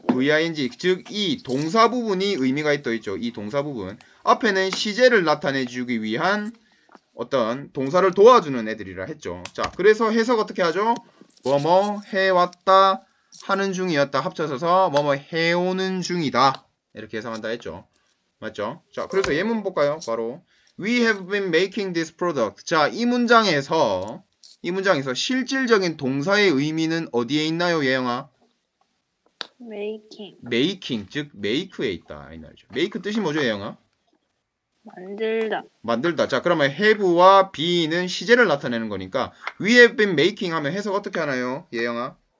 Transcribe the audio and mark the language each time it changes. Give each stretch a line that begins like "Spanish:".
Korean: ving, 즉이 동사 부분이 의미가 있다 했죠. 이 동사 부분. 앞에는 시제를 나타내 주기 위한 어떤 동사를 도와주는 애들이라 했죠. 자, 그래서 해석 어떻게 하죠? 뭐뭐 해왔다 하는 중이었다 합쳐서 뭐뭐 해오는 중이다. 이렇게 해석한다 했죠. 맞죠? 자, 그래서 예문 볼까요?
English: 바로 We have been making this product.
Korean: 자, 이 문장에서 실질적인 동사의 의미는 어디에 있나요, 예영아?
English: Making
Korean: 메이킹, 즉 메이크에 있다 이 말이죠. 메이크 뜻이 뭐죠, 예영아? 만들다. 만들다. 자, 그러면 have와 be는 시제를 나타내는 거니까
English: we have been making
Korean: 하면 해석 어떻게 하나요, 예영아?